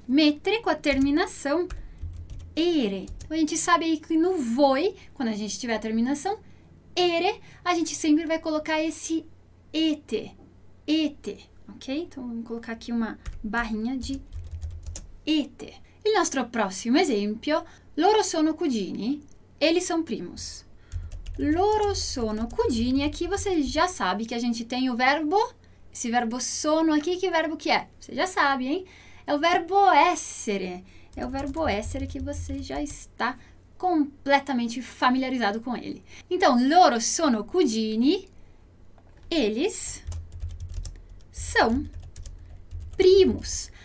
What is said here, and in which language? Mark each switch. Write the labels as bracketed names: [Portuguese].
[Portuguese] Mettere com a terminação ere. Então a gente sabe aí que no voi, quando a gente tiver a terminação ere, a gente sempre vai colocar esse ete, ete, ok? Então vamos colocar aqui uma barrinha de ete. [Italian] Il nostro prossimo esempio: loro sono cugini, [Portuguese] eles são primos. [Italian] Loro sono cugini. [Portuguese] Aqui você já sabe que a gente tem o verbo, esse verbo sono aqui, que verbo que é? Você já sabe, hein? É o verbo essere. É o verbo essere que você já está completamente familiarizado com ele. Então, [Italian] loro sono cugini, [Portuguese] eles são primos.